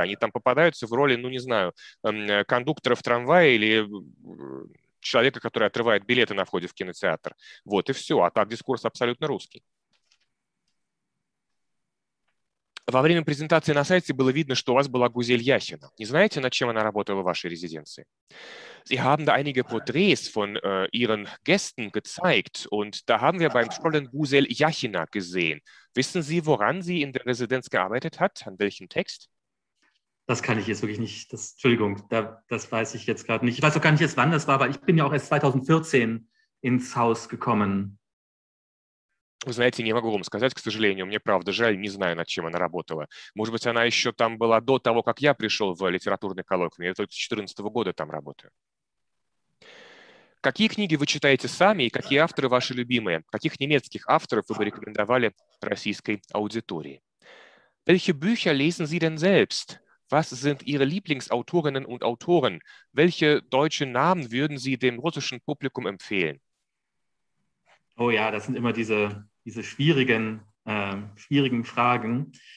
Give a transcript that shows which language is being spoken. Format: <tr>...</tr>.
<ru>Они там попадаются в роли, ну не знаю, кондукторов трамвая или человека, который отрывает билеты на входе в кинотеатр. Вот и все. А так дискурс абсолютно русский. Во время презентации на сайте было видно, что у вас была Гузель Яхина. Не знаете, над чем она работала в вашей резиденции?</ru> <de>Sie haben da einige Porträts von ihren Gästen gezeigt und da haben wir beim Scrollen Гузель Яхина gesehen. Wissen Sie, woran sie in der Residenz gearbeitet hat? An welchem Text? Das kann ich jetzt wirklich nicht, das, Entschuldigung, da, das weiß ich jetzt gerade nicht. Ich weiß auch gar nicht jetzt, wann das war, aber ich bin ja auch erst 2014 ins Haus gekommen.</de> <ru>Вы знаете, не могу вам сказать, к сожалению, мне правда жаль, не знаю, над чем она работала. Может быть, она еще там была до того, как я пришел в литературный коллоквиум, я только с 2014 года там работаю. Какие книги вы читаете сами и какие авторы ваши любимые? Каких немецких авторов вы бы рекомендовали российской аудитории?</ru> <de>Welche Bücher lesen Sie denn selbst? Was sind Ihre Lieblingsautorinnen und Autoren? Welche deutschen Namen würden Sie dem russischen Publikum empfehlen? Oh ja, das sind immer diese schwierigen Fragen.</de>